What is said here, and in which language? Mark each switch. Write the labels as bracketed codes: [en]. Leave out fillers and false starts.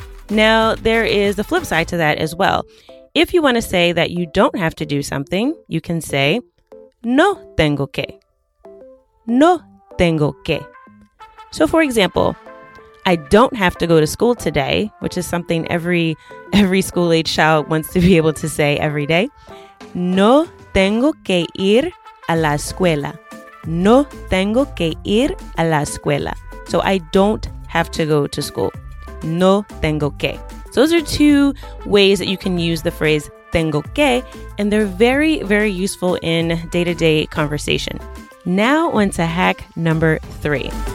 [en] Now, there is a flip side to that as well. If you want to say that you don't have to do something, you can say no tengo que. No tengo que. So for example, I don't have to go to school today, which is something every school-age child wants to be able to say every day. [es] No tengo que ir a la escuela. No tengo que ir a la escuela. [en] So I don't have to go to school. No tengo que. So those are two ways that you can use the phrase tengo que, and they're very, very useful in day-to-day conversation. Now on to hack number three.